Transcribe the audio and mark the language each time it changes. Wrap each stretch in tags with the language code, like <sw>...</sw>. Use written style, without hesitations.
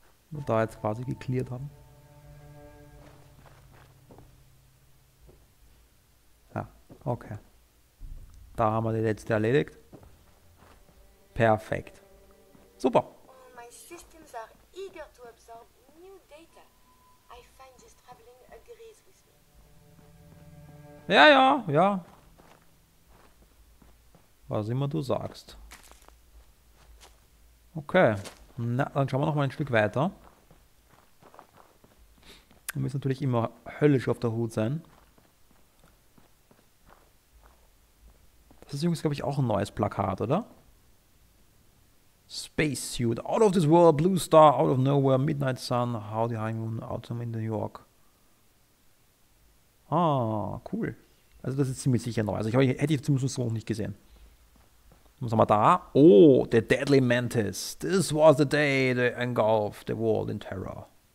<de>Und da jetzt quasi geklärt haben. Ja, okay. Da haben wir die letzte erledigt. Perfekt. Super.</de> <en>My systems are eager to absorb new data. I find this traveling agrees with me.</en> <de>Ja, ja, ja. Was immer du sagst. Okay. Na, dann schauen wir noch mal ein Stück weiter. Wir müssen natürlich immer höllisch auf der Hut sein. Das ist übrigens, glaube ich, auch ein neues Plakat, oder?</de> <en>Spacesuit, out of this world, blue star, out of nowhere, midnight sun, howdy honeymoon, autumn in New York.</en> <de>Ah, cool. Also das ist ziemlich sicher neu. Also hätte ich zumindest so noch nicht gesehen. Was haben wir da?</de> <en>Oh, the deadly mantis. This was the day they engulfed the world in terror.</en>